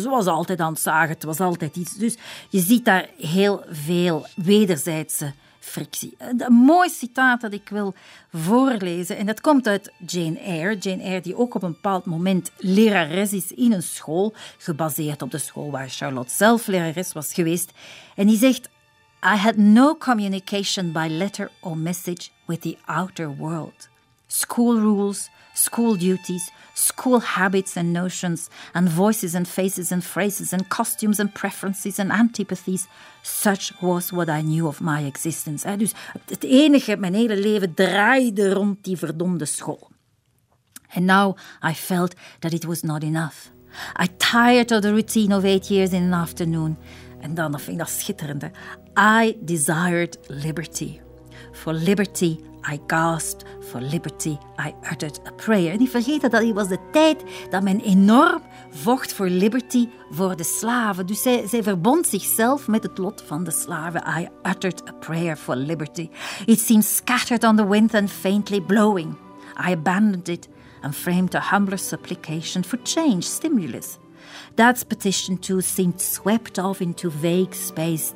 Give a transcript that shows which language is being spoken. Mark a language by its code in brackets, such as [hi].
[nl] Ze was altijd aan het zagen. Het was altijd iets. Dus je ziet daar heel veel wederzijdse frictie. Een mooi citaat dat ik wil voorlezen. En dat komt uit Jane Eyre. Jane Eyre die ook op een bepaald moment lerares is in een school. Gebaseerd op de school waar Charlotte zelf lerares was geweest. En die zegt, [en] I had no communication by letter or message with the outer world. School rules, school duties, school habits and notions, and voices and faces and phrases and costumes and preferences and antipathies. Such was what I knew of my existence. [nl] He, dus het enige, mijn hele leven draaide rond die verdomde school. [en] And now I felt that it was not enough. I tired of the routine of 8 years in an afternoon. [nl] En dan vind ik dat schitterend. [en] I desired liberty. For liberty I gasped, for liberty I uttered a prayer. [nl] En ik vergeet dat het was de tijd dat men enorm vocht voor liberty voor de slaven. Dus zij verbond zichzelf met het lot van de slaven. [en] I uttered a prayer for liberty. It seemed scattered on the wind and faintly blowing. I abandoned it and framed a humbler supplication for change, stimulus. That's petition too seemed swept off into vague space.